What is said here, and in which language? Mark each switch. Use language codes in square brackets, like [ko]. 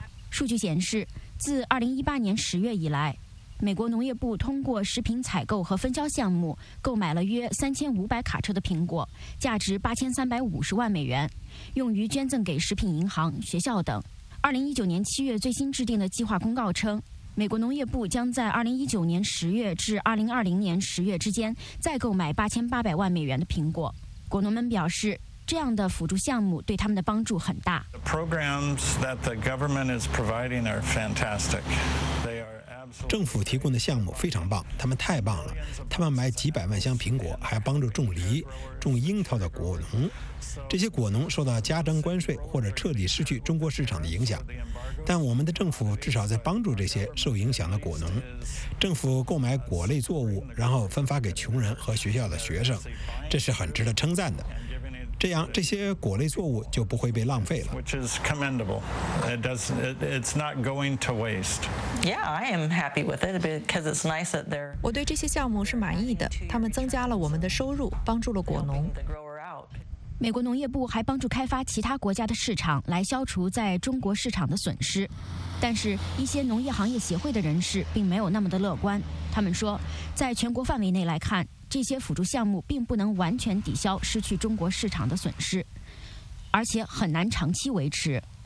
[zh] 数据显示，自2018年10月以来，美国农业部通过食品采购和分销项目购买了约3500卡车的苹果，价值8350万美元，用于捐赠给食品银行、学校等。 2019年7月最新制定的计划公告称，美国农业部将在2019年10月至2020年10月之间再购买8800万美元的苹果。果农们表示，这样的辅助项目对他们的帮助很大。 [en] The programs that the government is providing are fantastic. [zh] 政府提供的项目非常棒，他们太棒了，他们买几百万箱苹果，还帮助种梨、种樱桃的果农。这些果农受到加征关税或者彻底失去中国市场的影响，但我们的政府至少在帮助这些受影响的果农。政府购买果类作物，然后分发给穷人和学校的学生，这是很值得称赞的。这样，这些果类作物就不会被浪费了。 [en] Which is commendable. It's not going to waste. Yeah, I am happy with it because it's nice that they're. [zh] 我对这些项目是满意的，他们增加了我们的收入，帮助了果农。美国农业部还帮助开发其他国家的市场，来消除在中国市场的损失。但是，一些农业行业协会的人士并没有那么的乐观。他们说，在全国范围内来看，这些辅助项目并不能完全抵消失去中国市场的损失，而且很难长期维持。